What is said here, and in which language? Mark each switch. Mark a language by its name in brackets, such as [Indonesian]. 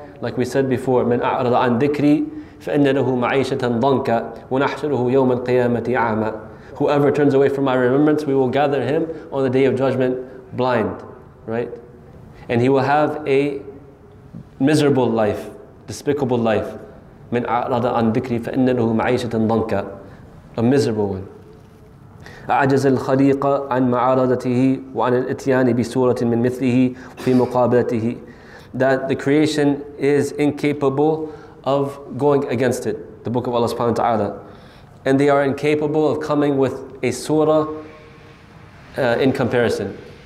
[English] Like we said before, [Arabic] مَنْ أَعْرَضَ عَنْ ذِكْرِي فَإِنَّ لَهُ مَعِيشَةً ضَنْكَ وَنَحْشُرُهُ يَوْمَ الْقِيَامَةِ أَعْمَى, [English] whoever turns away from my remembrance, we will gather him on the day of judgment blind, right? And he will have a miserable life, despicable life. [Arabic] مَنْ أَعْرَضَ عَنْ ذِكْرِي فَإِنَّ لَهُ مَعِيشَةً ضَنْكَ, [English] a miserable one. [Arabic] أَعْجَزَ الْخَلِيقَ عَنْ مَعَارَضَتِهِ وَعَنِ الْإِتْيَانِ بِسُورَةٍ مِنْ مِثْلِهِ فِي مُقَابَلَتِهِ, [English] that the creation is incapable of going against it, the book of Allah subhanahu wa ta'ala. And they are incapable of coming with a surah in comparison.